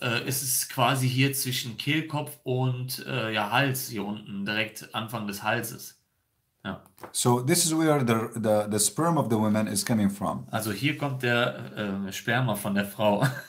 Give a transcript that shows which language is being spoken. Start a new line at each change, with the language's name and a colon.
German: Es ist quasi hier zwischen Kehlkopf und Hals, hier unten, direkt Anfang des Halses. Ja.
English: So this is where the sperm of the woman is coming from.
German: Also hier kommt der Sperma von der Frau.